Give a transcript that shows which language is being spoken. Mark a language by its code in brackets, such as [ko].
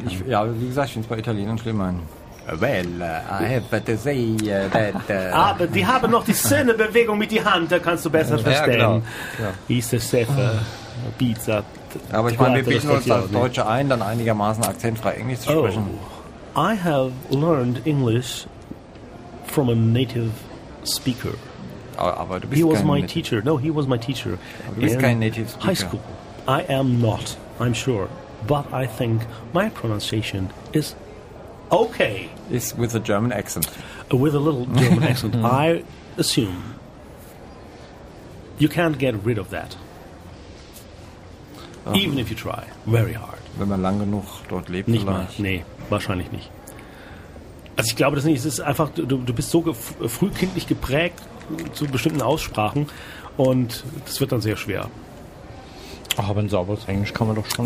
[de] Ich, ja, wie gesagt, ich finde es bei Italienern schlimmer. [en] Well, I have to say that. [de] Aber die haben noch die schöne Bewegung mit die Hand, da kannst du besser verstehen. Ja, genau. Pizza. Aber ich meine, wir bieten uns als Deutsche ein, dann einigermaßen akzentfrei Englisch zu sprechen. [en] I have learned English from a native speaker. [de] Aber du bist [en] he was [de] kein [en] my teacher. No, he was my teacher. [de] Aber du bist kein native speaker. [en] High school. I am not, I'm sure. But I think my pronunciation is okay. It's with a German accent. With a little German accent. I assume you can't get rid of that. Even if you try. Very hard. [de] Wenn man lang genug dort lebt. Nicht mal. Nee, wahrscheinlich nicht. Also ich glaube das nicht. Es ist einfach, du bist so frühkindlich geprägt zu bestimmten Aussprachen und das wird dann sehr schwer. Ach, aber ein sauberes Englisch kann man doch schon.